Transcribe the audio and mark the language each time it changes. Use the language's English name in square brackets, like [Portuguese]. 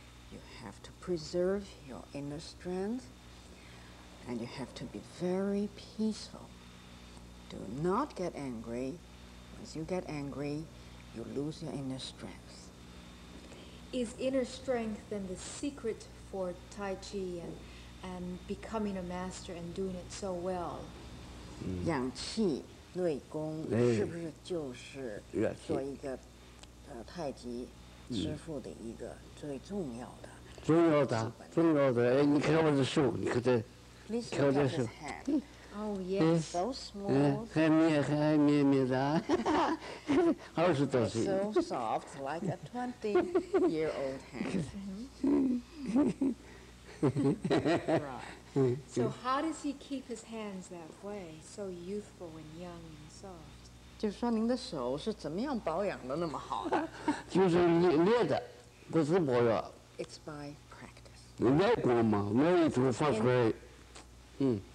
[English] You have to preserve your inner strength, and you have to be very peaceful. Do not get angry. Once you get angry, you lose your inner strength. Is inner strength then the secret for Tai Chi and becoming a master and doing it so well? [Chinese] 养气内功是不是就是做一个太极师父的一个最重要的重要的重要的哎你看我的手你看这看我的手 [English] Oh yes, so smooth. [Chinese] 还绵还绵绵的，二十多岁。 [English] So soft, like a 20-year-old hand. Right. So how does he keep his hands that way, so youthful and young and soft? [Chinese] 就说您的手是怎么样保养的那么好的？就是练的，不是保养。 [English] It's by practice. [Chinese] 外功嘛，外力怎么发出来？